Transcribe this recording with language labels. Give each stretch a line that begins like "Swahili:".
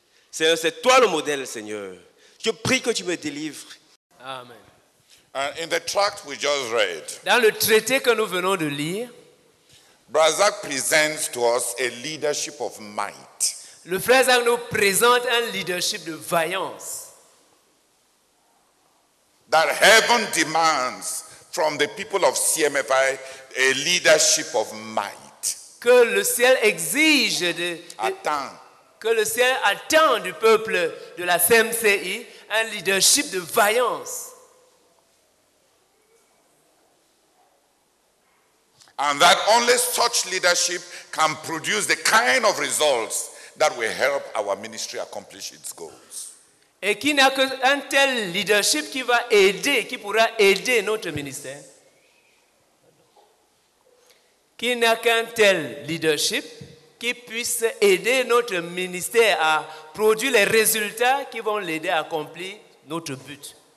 French: Seigneur, c'est toi le modèle, Seigneur. Je prie que tu me délivres. Amen.
English: And in the tract we just read,
French: dans le traité que nous venons de lire,
English: Brazak presents to us a leadership of might.
French: Le frère Zach nous présente un leadership de vaillance.
English: That heaven demands from the people of CMFI a leadership of might.
French: Que le ciel exige de attend. Que le ciel attend du peuple de la CMCI un leadership de vaillance.
English: And that only such leadership can produce the kind of results that will help our ministry accomplish its goals.
French: Et qu'il n'y a qu'un tel leadership qui va aider, qui pourra aider notre ministère. Qu'il n'y a qu'un tel leadership qui puisse aider notre ministère à produire les résultats qui vont l'aider à accomplir notre but.